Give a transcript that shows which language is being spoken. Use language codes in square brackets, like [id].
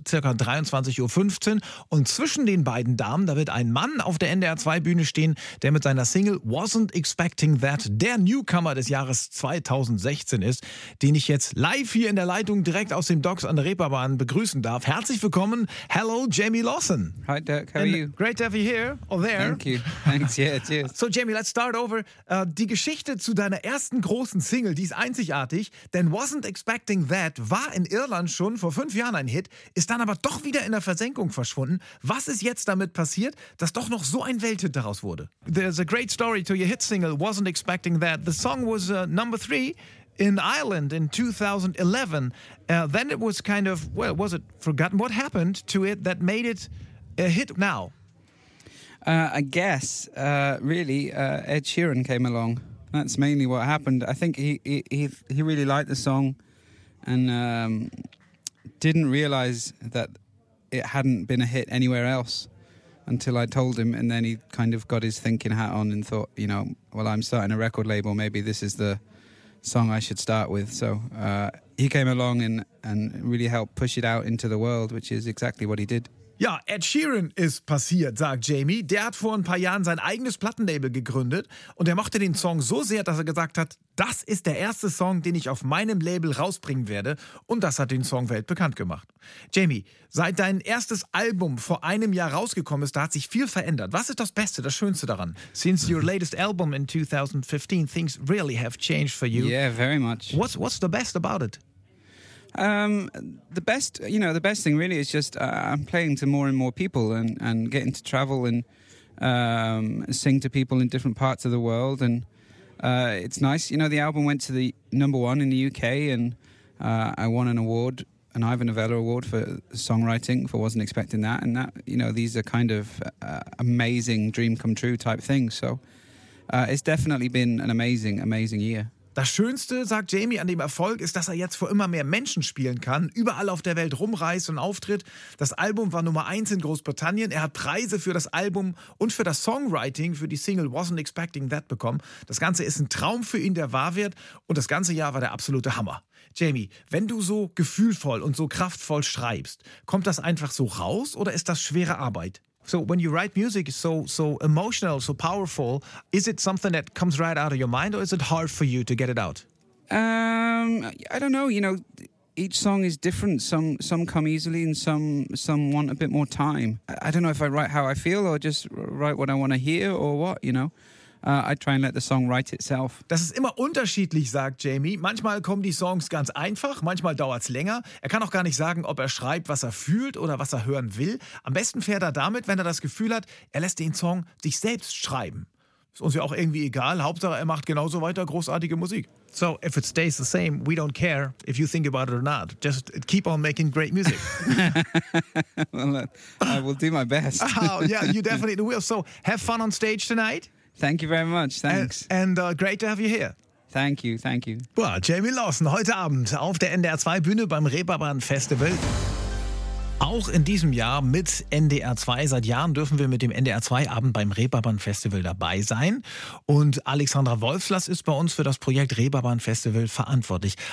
[de] 23.15 Uhr. Und zwischen den beiden Damen, da wird ein Mann auf der NDR 2-Bühne stehen, der mit seiner Single Wasn't Expecting That der Newcomer des Jahres 2016 ist. Den ich jetzt live hier in der Leitung direkt aus dem Docks an der Reeperbahn begrüßen darf. Herzlich willkommen. Hello, Jamie Lawson. [en] Hi, Derek. How are you? Great to have you here or there. Thank you. Thanks. Yeah, cheers. So, Jamie, let's start over. [de] Die Geschichte zu deiner ersten großen Single, die ist einzigartig, denn Wasn't Expecting That war in Irland schon vor 5 Jahren ein Hit, ist dann aber doch wieder in der Versenkung verschwunden. Was ist jetzt damit passiert, dass doch noch so ein Welthit daraus wurde? [en] There's a great story to your hit single, Wasn't Expecting That. The song was number 3. In Ireland in 2011, then it was kind of, well, was it forgotten? What happened to it that made it a hit now? I guess, really, Ed Sheeran came along. That's mainly what happened. I think he really liked the song and didn't realize that it hadn't been a hit anywhere else until I told him. And then he kind of got his thinking hat on and thought, you know, well, I'm starting a record label. Maybe this is the song I should start with. So he came along and really helped push it out into the world, which is exactly what he did. [de] Ja, Ed Sheeran ist passiert, sagt Jamie. Der hat vor ein paar Jahren sein eigenes Plattenlabel gegründet und er mochte den Song so sehr, dass er gesagt hat, das ist der erste Song, den ich auf meinem Label rausbringen werde. Und das hat den Song weltbekannt gemacht. Jamie, seit dein erstes Album vor einem Jahr rausgekommen ist, da hat sich viel verändert. Was ist das Beste, das Schönste daran? [en] Since your latest album in 2015, things really have changed for you. Yeah, very much. What's the best about it? The best thing really is just I'm playing to more and more people and getting to travel and sing to people in different parts of the world. And it's nice, you know, the album went to the number 1 in the UK and I won an award, an Ivor Novello Award for songwriting for Wasn't Expecting That. And that, you know, these are kind of amazing dream come true type things. So it's definitely been an amazing, amazing year. [de] Das Schönste, sagt Jamie, an dem Erfolg ist, dass er jetzt vor immer mehr Menschen spielen kann, überall auf der Welt rumreist und auftritt. Das Album war Nummer 1 in Großbritannien. Er hat Preise für das Album und für das Songwriting für die Single Wasn't Expecting That bekommen. Das Ganze ist ein Traum für ihn, der wahr wird. Und das ganze Jahr war der absolute Hammer. Jamie, wenn du so gefühlvoll und so kraftvoll schreibst, kommt das einfach so raus oder ist das schwere Arbeit? [en] So when you write music, it's so emotional, so powerful. Is it something that comes right out of your mind or is it hard for you to get it out? I don't know. You know, each song is different. Some come easily and some want a bit more time. I don't know if I write how I feel or just write what I want to hear or what, you know. I try and let the song write itself. [de] Das ist immer unterschiedlich, sagt Jamie. Manchmal kommen die Songs ganz einfach, manchmal dauert es länger. Er kann auch gar nicht sagen, ob er schreibt, was er fühlt oder was er hören will. Am besten fährt er damit, wenn er das Gefühl hat, er lässt den Song sich selbst schreiben. Ist uns ja auch irgendwie egal. Hauptsache, er macht genauso weiter großartige Musik. [en] So, if it stays the same, we don't care if you think about it or not. Just keep on making great music. Well, I will do my best. Yeah, you definitely will. So, have fun on stage tonight. Thank you very much, thanks. And great to have you here. Thank you, thank you. [de] Boah, Jamie Lawson heute Abend auf der NDR 2 Bühne beim Reeperbahn Festival. Auch in diesem Jahr mit NDR 2, seit Jahren dürfen wir mit dem NDR 2 Abend beim Reeperbahn Festival dabei sein. Und Alexandra Wolfslass ist bei uns für das Projekt Reeperbahn Festival verantwortlich.